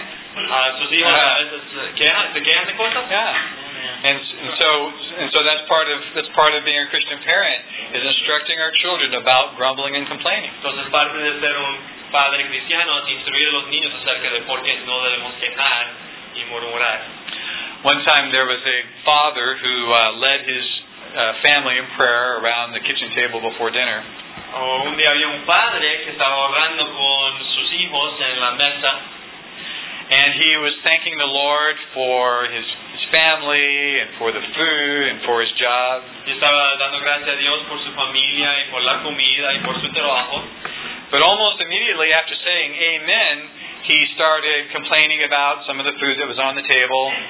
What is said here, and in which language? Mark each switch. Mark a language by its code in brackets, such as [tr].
[en] And so that's part of being a Christian parent is instructing our children about grumbling and complaining. [es] Entonces parte de ser un padre cristiano es instruir a los niños acerca de por qué no debemos quejar y murmurar. [en] One time there was a father who led his family in prayer around the kitchen table before dinner. [es] Un día había un padre que estaba orando con sus hijos en la mesa. [en] And he was thanking the Lord for his family and for the food and for his job. [es] Y estaba dando gracias a Dios por su familia y por la comida y por su trabajo. [en] But almost immediately after saying amen, he started complaining about some of the food that was on the table.